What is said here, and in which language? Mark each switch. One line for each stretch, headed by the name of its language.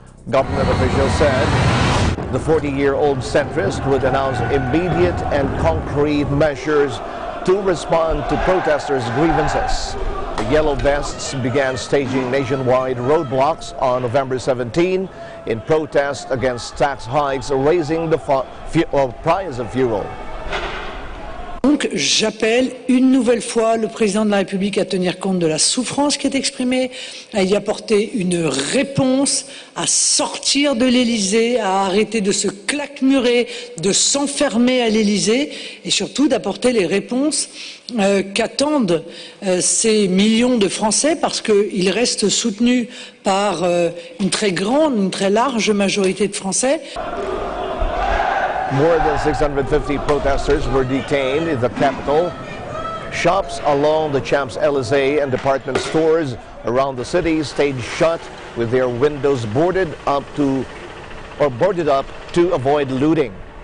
English: Government officials said the 40-year-old centrist would announce immediate and concrete measures to respond to protesters' grievances. The Yellow Vests began staging nationwide roadblocks on November 17 in protest against tax hikes raising the price of fuel.
French: Donc, j'appelle une nouvelle fois le président de la République à tenir compte de la souffrance qui est exprimée, à y apporter une réponse, à sortir de l'Élysée, à arrêter de se claquemurer, de s'enfermer à l'Élysée, et surtout d'apporter les réponses qu'attendent ces millions de Français, parce qu'ils restent soutenus par une très large majorité de Français.
English: More than 650 protesters were detained in the capital. Shops along the Champs-Élysées and department stores around the city stayed shut with their windows boarded up to avoid looting.